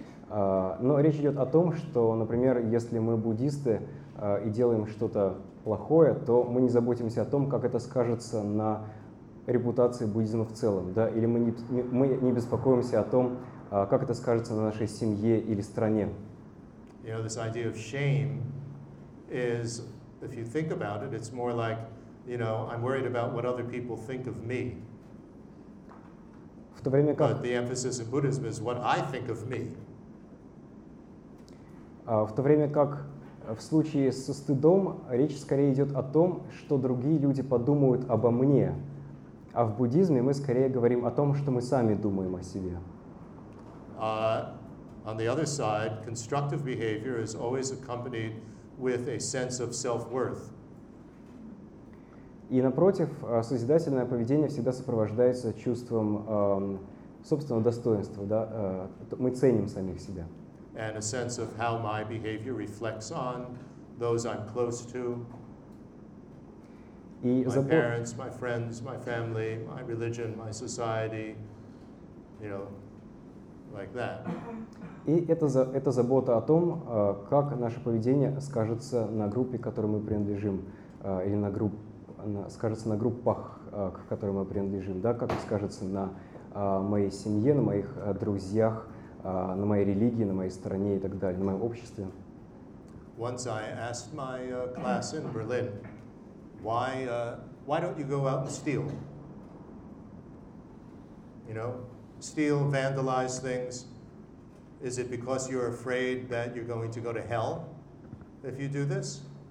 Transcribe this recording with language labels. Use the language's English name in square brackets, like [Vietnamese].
[Russian] Но речь идет о том, что, например, если мы буддисты и делаем что-то плохое, то мы не заботимся о том, как это скажется на репутации буддизма в целом, да, или мы не беспокоимся о том, как это скажется на нашей семье или стране. [English] You know, this idea of shame is, if you think about it, it's more like, you know, I'm worried about what other people think of me. [Russian] В то время как... [English] But the emphasis in Buddhism is what I think of me. [Russian] В то время как в случае со стыдом речь скорее идет о том, что другие люди подумают обо мне. А в буддизме мы скорее говорим о том, что мы сами думаем о себе. [English] On the other side, constructive behavior is always accompanied with a sense of self-worth. [Russian] И напротив, созидательное поведение всегда сопровождается чувством собственного достоинства, да? Мы ценим самих себя. [English] And a sense of how my behavior reflects on those I'm close to. [Russian] И [English] parents, my friends, my family, my religion, my society, you know, like that. [Russian] И это забота о том, как наше поведение скажется на группе, к которой мы принадлежим, или на групп, скажется на группах, к которым мы принадлежим, да, как скажется на моей семье, на моих друзьях, на моей религии, на моей стране и так далее, на моем обществе. [English] Once I asked my class in Berlin, why don't you go out and steal? You know, steal, vandalize things. Is it because you're afraid that you're going to go to hell if you do this?